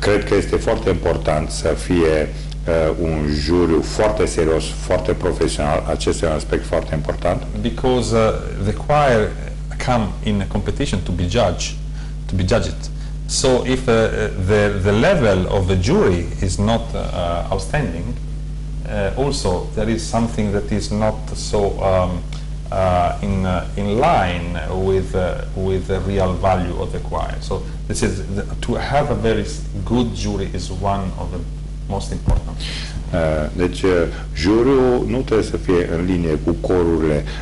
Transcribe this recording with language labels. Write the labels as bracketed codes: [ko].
[ro] Cred că este foarte important să fie un juriu foarte serios, foarte profesional. Acest e un aspect foarte important. [en] Because the choir come in a competition to be judged, to be judged. So if the level of the jury is not outstanding, also there is something that is not so in line with the real value of the choir. So this is to have a very good jury is one of the most important. [ro] Deci juriul nu trebuie să fie în linie cu corurile.